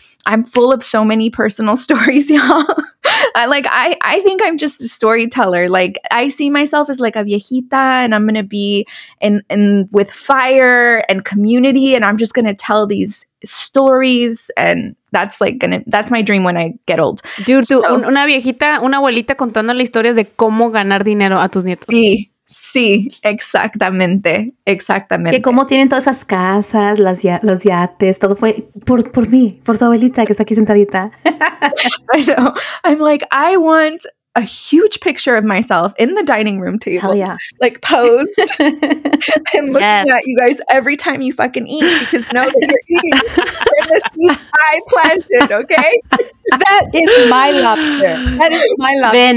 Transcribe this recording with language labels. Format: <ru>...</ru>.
<en>I'm full of so many personal stories, y'all. I think I'm just a storyteller. Like, I see myself as like a viejita, and I'm going to be in with fire and community, and I'm just going to tell these stories, and that's my dream when I get old. Dude, so,</en> <es>una viejita, una abuelita contando las historias de cómo ganar dinero a tus nietos. Sí, Sí, exactamente, exactamente. Que cómo tienen todas esas casas, los yates, todo fue por mí, por su abuelita que está aquí sentadita.</es> <en>I know. I'm like, I want a huge picture of myself in the dining room table. Hell yeah. Like posed and looking yes. at you guys every time you fucking eat, because know that you're eating I planted, okay? That is my lobster. That is my lobster.</en>